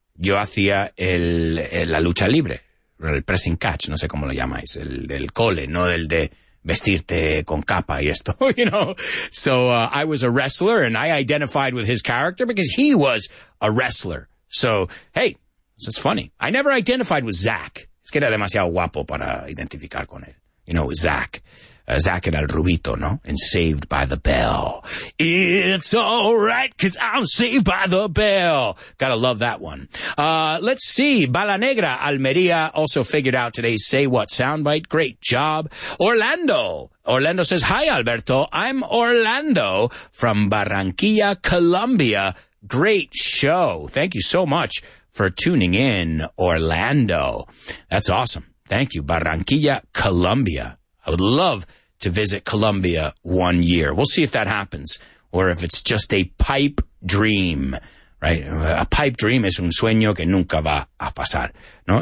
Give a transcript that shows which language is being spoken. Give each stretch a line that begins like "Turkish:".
Spanish: Yo hacía la lucha libre, el pressing catch, no sé cómo lo llamáis, el cole, no el de vestirte con capa y esto,
English: you know. So I was a wrestler, and I identified with his character because he was a wrestler. So, hey. So it's funny. I never identified with Zach.
Spanish: Es que era demasiado guapo para identificar con él.
English: You know,
Spanish: Zach. Zach era el rubito, ¿no? And Saved by the Bell.
English: It's all right, because I'm saved by the bell. Gotta love that one. Let's see. Bala Negra, Almería, also figured out today's Say What soundbite. Great job. Orlando says, hi, Alberto. I'm Orlando from Barranquilla, Colombia. Great show. Thank you so much for tuning in, Orlando. That's awesome. Thank you. Barranquilla, Colombia. I would love to visit Colombia one year. We'll see if that happens, or if it's just a pipe dream, right? A pipe dream is
Spanish: un sueño que nunca va a pasar, ¿no?